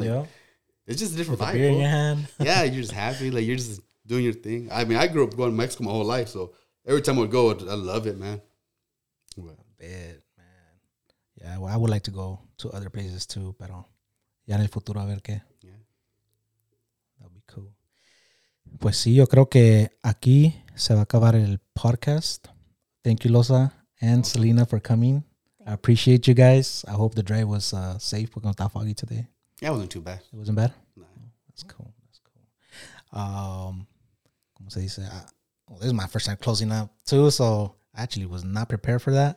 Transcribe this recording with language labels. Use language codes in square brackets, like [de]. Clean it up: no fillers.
[en] Like, yeah. It's just a different with vibe. A beer in your hand. Yeah, you're just happy. Like, you're just doing your thing. I mean, I grew up going to Mexico my whole life. So every time I would go, I love it, man. I bet, man. Yeah, well, I would like to go to other places too, pero. [es] Ya en el futuro, a ver qué. [en] Yeah. That'd be cool. [es] Pues sí, yo creo que aquí se va a acabar el podcast. [en] Thank you, Loza and Saliena, for coming. I appreciate you guys. I hope the drive was safe. We're going to talk foggy today. Yeah, it wasn't too bad. It wasn't bad? No. That's cool. That's cool. [es] ¿Cómo se dice? [en] Well, this is my first time closing up, too, so I actually was not prepared for that.